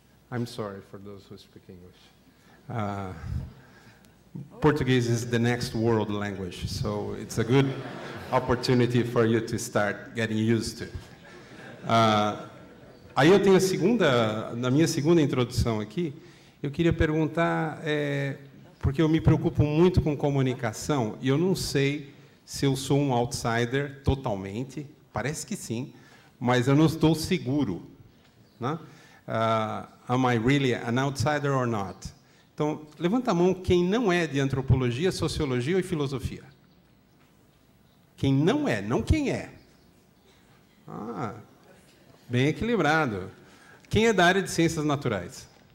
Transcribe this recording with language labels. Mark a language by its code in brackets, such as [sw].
[en] I'm sorry for those who speak English. Portuguese is the next world language, so it's a good opportunity for you to start getting used to. [pt] Aí eu tenho a segunda, na minha segunda introdução aqui, eu queria perguntar, porque eu me preocupo muito com comunicação, e eu não sei se eu sou um outsider totalmente, parece que sim, mas eu não estou seguro, né? [en] Am I really an outsider or not? [pt] Então, levanta a mão quem não é de antropologia, sociologia ou filosofia. Quem não é, não quem é. Ah, bem equilibrado. Quem é da área de ciências naturais?